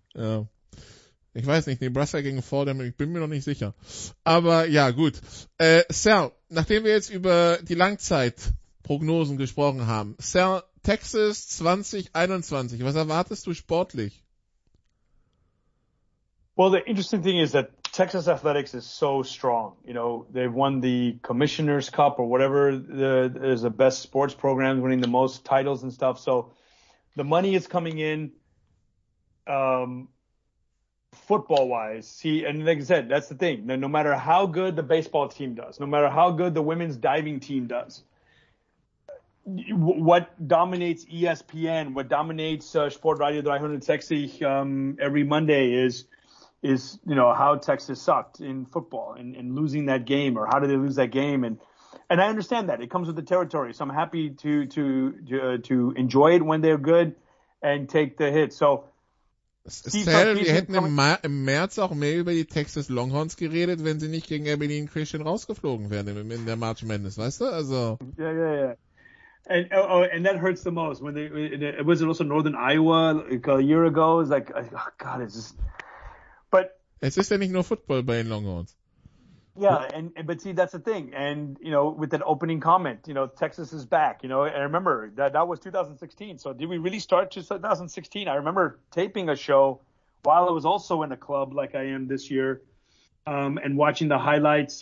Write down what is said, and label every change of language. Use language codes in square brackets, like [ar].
[de] Ja. Ich weiß nicht, Nebraska gegen Fordham, ich bin mir noch nicht sicher. Aber ja, gut. Sal, nachdem wir jetzt über die Langzeitprognosen gesprochen haben, Sal, Texas 2021, was erwartest du sportlich? [en] Well, the interesting thing is that Texas Athletics is so strong. You know, they've won the Commissioner's Cup or whatever is the best sports program, winning the most titles and stuff. So, the money is coming in. football-wise, see, and like I said, that's the thing. No matter how good the baseball team does, no matter how good the women's diving team does, what dominates ESPN, what dominates Sport Radio 360 every Monday is you know, how Texas sucked in football and losing that game, or how did they lose that game. And I understand that. It comes with the territory. So I'm happy to enjoy it when they're good and take the hit. So, [de] Sal, wir hätten im März auch mehr über die Texas Longhorns geredet, wenn sie nicht gegen Abilene Christian rausgeflogen wären in der March Madness, weißt du? Also. [en] And that hurts the most. When they, was it also Northern Iowa like a year ago? It's like, oh God, it's just. But. [de] Es ist ja nicht nur Football bei den Longhorns. [en] Yeah, and but see, that's the thing. And, you know, with that opening comment, you know, Texas is back, you know, and I remember that was 2016. So did we really start 2016? I remember taping a show while I was also in a club like I am this year and watching the highlights.